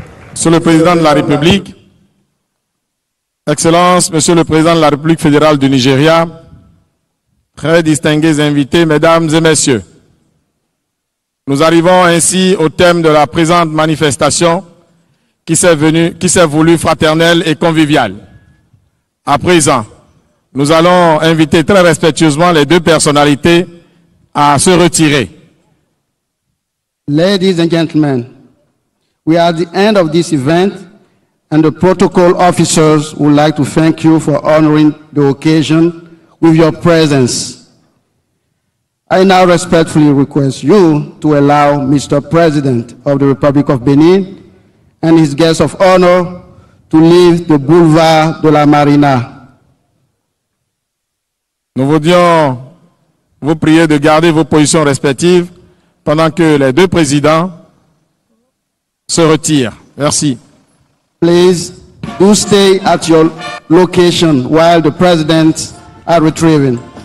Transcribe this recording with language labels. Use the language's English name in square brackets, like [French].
[French] Monsieur le Président de la République, Excellences, Monsieur le Président de la République fédérale du Nigeria, très distingués invités, Mesdames et Messieurs, nous arrivons ainsi au thème de la présente manifestation qui s'est voulue fraternelle et conviviale. À présent, nous allons inviter très respectueusement les deux personnalités à se retirer. [English] Ladies and gentlemen, we are at the end of this event and the protocol officers would like to thank you for honoring the occasion with your presence. I now respectfully request you to allow Mr. President of the Republic of Benin and his guests of honor to leave the boulevard de la Marina. [French] Nous voudrions vous prier de garder vos positions respectives pendant que les deux présidents se retire. Merci. [English] Please do stay at your location while the president are retrieving.